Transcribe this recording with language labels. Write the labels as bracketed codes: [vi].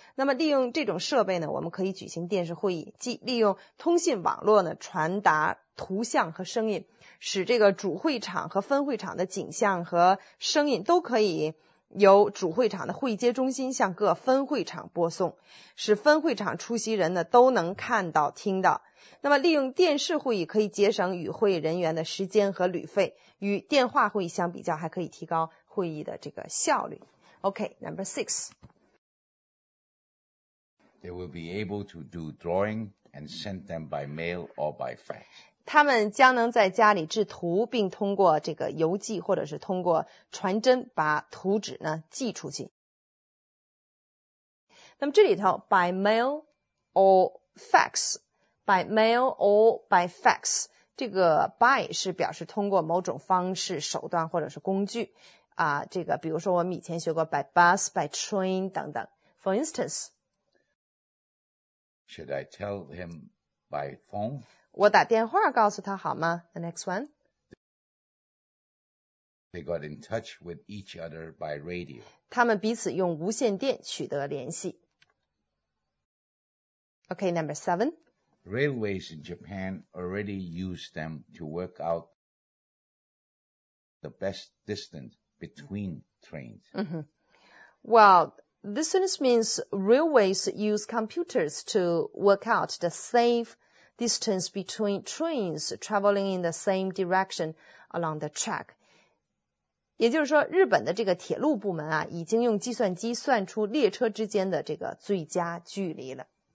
[zh] 那么利用这种设备呢，我们可以举行电视会议，即利用通信网络呢传达图像和声音，使这个主会场和分会场的景象和声音都可以由主会场的会接中心向各分会场播送，使分会场出席人呢都能看到听到。那么利用电视会议可以节省与会人员的时间和旅费，与电话会议相比较还可以提高会议的这个效率。 [en] OK， number six， They will be able to do drawing and send them by mail or by fax. [zh] 他们将能在家里制图，并通过这个邮寄或者是通过传真把图纸呢寄出去。那么这里头 by mail or faxby mail or by fax， 这个 by 是表示通过某种方式、手段或者是工具啊。这个比如说我们以前学过 by bus、by train 等等。 [en] For instance， Should I tell him by phone？ [zh] 我打电话告诉他好吗 ？ [en] The next one。 They got in touch with each other by radio。 [zh] 他们彼此用无线电取得联系。 [en] OK， number seven。 Railways in Japan already use them to work out the best distance between trains. Mm-hmm. Well, this sentence means railways use computers to work out the safe distance between trains traveling in the same direction along the track. [zh] 也就是说日本的这个铁路部门啊，已经用计算机算出列车之间的这个最佳距离了。